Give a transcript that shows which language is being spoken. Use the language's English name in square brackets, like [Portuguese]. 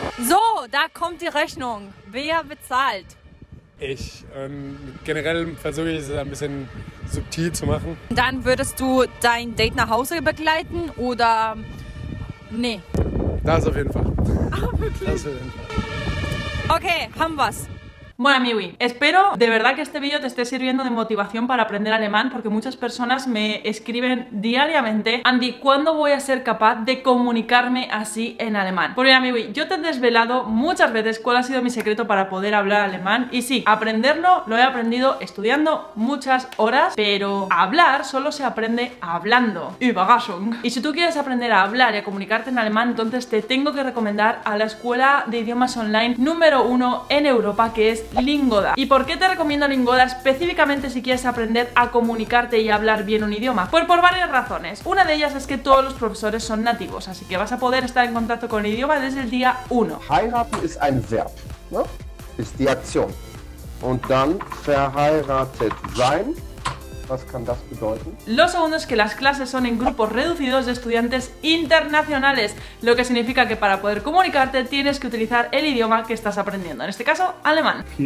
[German] So, da kommt die Rechnung. Wer bezahlt? Ich. Generell versuche ich es ein bisschen subtil zu machen. Dann würdest du dein Date nach Hause begleiten oder nee? Das auf jeden Fall. Ah, wirklich? Das auf jeden Fall. Okay, haben wir's. [Spanish] Bueno, Miwi, espero de verdad que este vídeo te esté sirviendo de motivación para aprender alemán, porque muchas personas me escriben diariamente, Andy, ¿cuándo voy a ser capaz de comunicarme así en alemán? Pues mira, Miwi, yo te he desvelado muchas veces cuál ha sido mi secreto para poder hablar alemán, y sí, aprenderlo lo he aprendido estudiando muchas horas, pero hablar solo se aprende hablando. [German] Überraschung. [Spanish] Y si tú quieres aprender a hablar y a comunicarte en alemán, entonces te tengo que recomendar a la escuela de idiomas online número uno en Europa, que es Lingoda. ¿Y por qué te recomiendo Lingoda específicamente si quieres aprender a comunicarte y hablar bien un idioma? Pues por varias razones. Una de ellas es que todos los profesores son nativos, así que vas a poder estar en contacto con el idioma desde el día 1. [German] Heiraten ist ein Verb, ¿no? Ist die Aktion. Und dann verheiratet sein. Was kann das bedeuten? [Spanish] Lo segundo es que las clases son en grupos reducidos de estudiantes internacionales, lo que significa que para poder comunicarte tienes que utilizar el idioma que estás aprendiendo, en este caso, alemán.